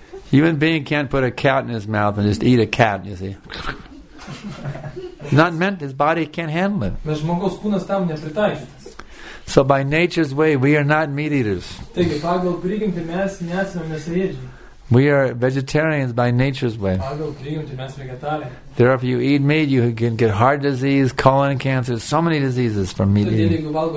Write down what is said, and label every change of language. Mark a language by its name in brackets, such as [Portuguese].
[English] Human being can't put a cat in his mouth and just eat a cat, you see. Not meant, his body can't handle it. So by nature's way, we are not meat eaters. [Lithuanian] Taigi, pagal prigimtį mes nesame mėsėdžiai. [English] We are vegetarians by nature's way. Therefore, if you eat meat, you can get heart disease, colon cancer, so many diseases from meat eating.